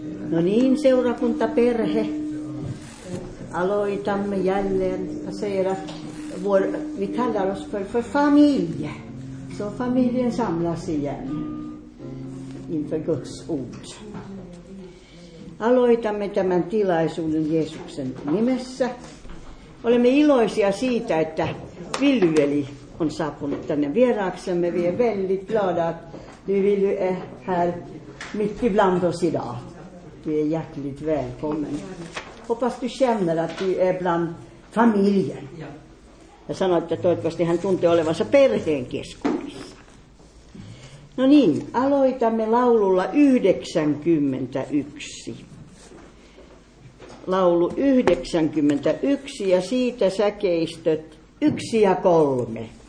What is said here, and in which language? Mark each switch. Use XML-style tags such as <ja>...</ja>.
<fi>No niin, seurakunta perhe. Aloitamme jälleen sera.</fi> <sv>Vi kallar oss för familj. Så familjen samlas igen inför Guds ord.</sv> <fi>Aloitamme tämän tilaisuuden Jeesuksen nimessä. Olemme iloisia siitä, että Villyveli on saapunut tänne vieraaksemme.</fi> <sv>Vi är väldigt glada att du Villy är här mitt ibland oss idag. Du är hjärtligt välkommen. Hoppas du känner att du är bland familjen.</sv> <fi>Ja sanoit, että toivottavasti hän tuntee olevansa perheen keskuudessa. No niin, aloitamme laululla 91. Laulu 91 ja siitä säkeistöt 1 ja 3.</fi>